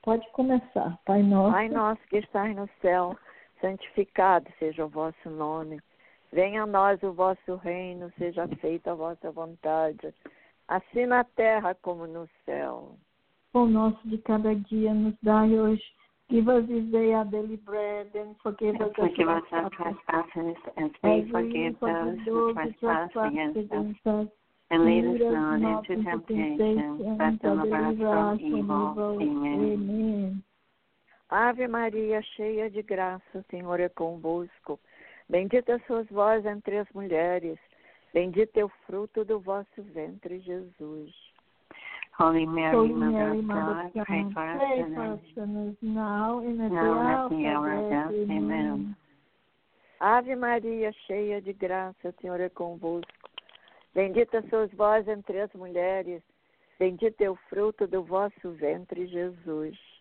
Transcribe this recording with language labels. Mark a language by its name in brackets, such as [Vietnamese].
[Portuguese] Pode começar, Pai Nosso. Pai Nosso que estás no céu, santificado seja o vosso nome. Venha a nós o vosso reino, seja feita a vossa vontade, assim na terra como no céu. O nosso de cada dia nos dai hoje. [English] Give us this day our daily bread, and forgive us our trespasses, as we forgive those who trespass against us. And lead us not into temptation, but deliver us from evil. Amen. [Portuguese] Ave Maria, cheia de graça, o Senhor é convosco. Bendita sois vós entre as mulheres. Bendito é o fruto do vosso ventre, Jesus. [English] Holy Mary, Mother of God, pray for us sinners now and at the hour of death. Amen. [Portuguese] Ave Maria, cheia de graça, o Senhor é convosco. Bendita sois vós entre as mulheres. Bendito é o fruto do vosso ventre, Jesus.